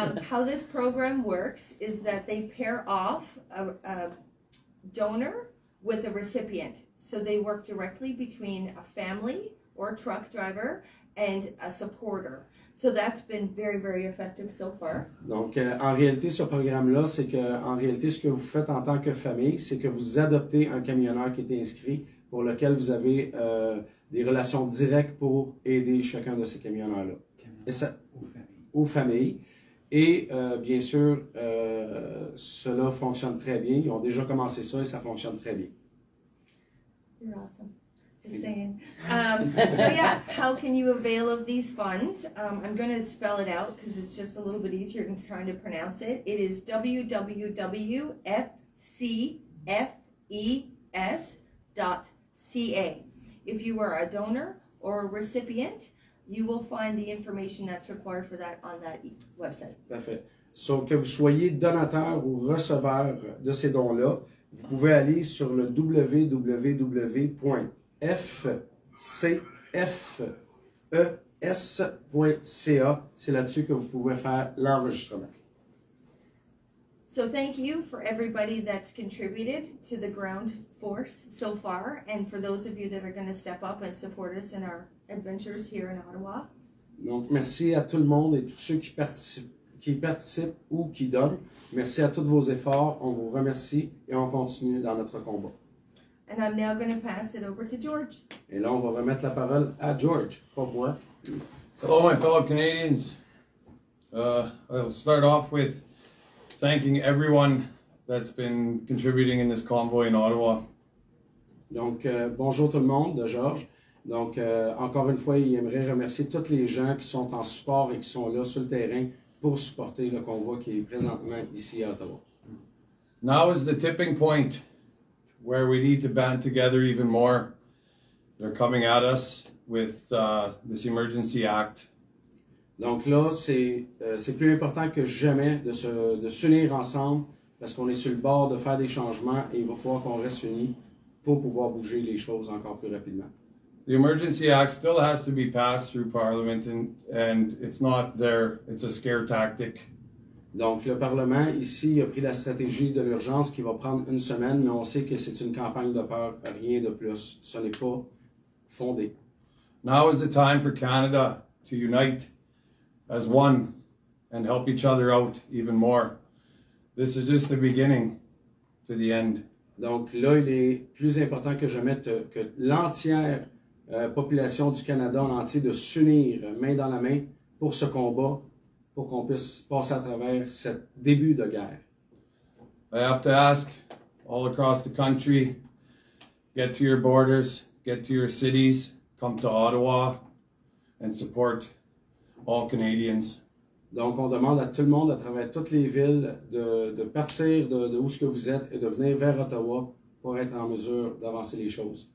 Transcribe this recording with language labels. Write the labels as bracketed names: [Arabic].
[English] How this program works is that they pair off a donor with a recipient. So they work directly between a family or a truck driver and a supporter. So that's been very, very effective so far. [French] Donc, en réalité, ce programme-là, c'est que, en réalité, ce que vous faites en tant que famille, c'est que vous adoptez un camionneur qui est inscrit pour lequel vous avez des relations directes pour aider chacun de ces camionneurs-là. Aux familles. Et bien sûr, cela fonctionne très bien. Ils ont déjà commencé ça et ça fonctionne très bien. [English] You're awesome. Just saying. So yeah, how can you avail of these funds? I'm going to spell it out because it's just a little bit easier than trying to pronounce it. It is www.fcfes.ca. If you are a donor or a recipient, you will find the information that's required for that on that website. [French] Parfait. So que vous soyez donateur ou receveur de ces dons-là, vous pouvez aller sur le www.fcfes.ca. C'est là-dessus que vous pouvez faire l'enregistrement. [English] So thank you for everybody that's contributed to the ground force so far, and for those of you that are going to step up and support us in our adventures here in Ottawa. [French] Donc, merci à tout le monde et tous ceux qui participent ou qui donnent. Merci à tous vos efforts. On vous remercie et on continue dans notre combat. [English] And I'm now going to pass it over to George. [French] Et là, on va remettre la parole à George, pas moi. [English] Hello, my fellow Canadians. I'll start off with thanking everyone that's been contributing in this convoy in Ottawa. [French] Donc, bonjour tout le monde de Georges. Donc, encore une fois, il aimerait remercier toutes les gens qui sont en support et qui sont là sur le terrain pour supporter le convoi qui est présentement ici à Ottawa. [English] Now is the tipping point where we need to band together even more. They're coming at us with this emergency act. [French] Donc là, c'est plus important que jamais de s'unir ensemble parce qu'on est sur le bord de faire des changements et il va falloir qu'on reste unis pour pouvoir bouger les choses encore plus rapidement. [English] The Emergency Act still has to be passed through Parliament and it's not there, it's a scare tactic. [French] Donc le Parlement ici a pris la stratégie de l'urgence qui va prendre une semaine, mais on sait que c'est une campagne de peur, rien de plus. Ce n'est pas fondé. [English] Now is the time for Canada to unite as one and help each other out even more. This is just the beginning to the end. [French] Donc là, il est plus important que jamais que l'entière population du Canada en entier de s'unir main dans la main pour ce combat, pour qu'on puisse passer à travers ce début de guerre. [English] I have to ask all across the country, get to your borders, get to your cities, come to Ottawa and support all Canadians. [French] Donc, on demande à tout le monde, à travers toutes les villes, de partir de où ce que vous êtes et de venir vers Ottawa pour être en mesure d'avancer les choses.